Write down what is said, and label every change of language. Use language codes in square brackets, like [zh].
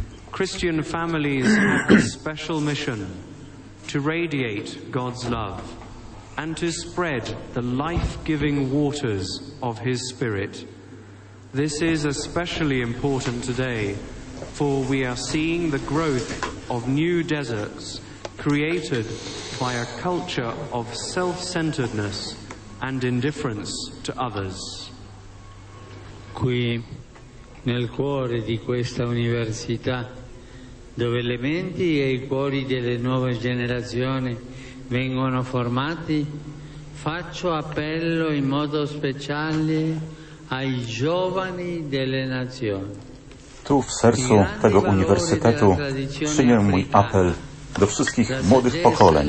[en] Christian families have a special mission to radiate God's love and to spread the life-giving waters of His Spirit. This is especially important today, for we are seeing the growth of new deserts created by a culture of self-centeredness and indifference to others. [it] Qui nel cuore di questa università, dove le menti e i cuori delle nuove generazioni vengono formati, faccio appello in modo speciale ai giovani delle nazioni. [pl] Tu w sercu tego uniwersytetu przyjmę mój apel do wszystkich młodych pokoleń.